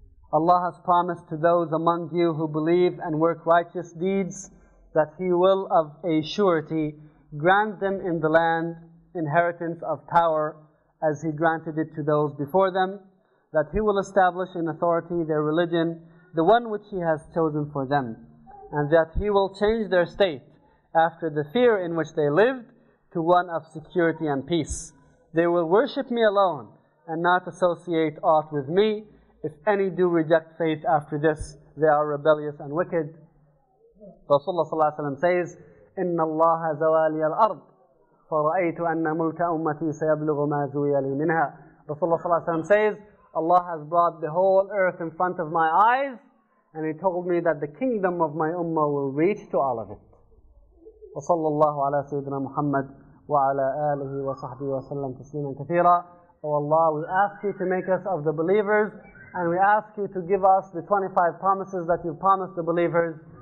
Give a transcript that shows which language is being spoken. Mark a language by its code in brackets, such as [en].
[en] Allah has promised to those among you who believe and work righteous deeds that He will of a surety grant them in the land inheritance of power as He granted it to those before them, that He will establish in authority their religion, the one which He has chosen for them, and that He will change their state after the fear in which they lived to one of security and peace. They will worship Me alone and not associate aught with Me. If any do reject faith after this, they are rebellious and wicked. Rasulullah ﷺ says, [ar] إِنَّ اللَّهَ زَوَالِيَ الْأَرْضِ فَرَأَيْتُ أَنَّ مُلْكَ أُمَّتِي سَيَبْلُغُ مَا زُوِيَ لِي مِنْهَا. [en] Rasulullah ﷺ says, Allah has brought the whole earth in front of my eyes, and He told me that the kingdom of my ummah will reach to all of it. [ar] وَصَلَّى اللَّهُ عَلَىٰ سَيِّدِنَا مُحَمَّدٍ وَعَلَىٰ آلِهِ وَصَحْبِهِ وَسَلَّمْ تَسْلِيمًا كَثِيرًا. [en] O Allah, we ask You to make us of the believers, and we ask You to give us the 25 promises that You promised the believers.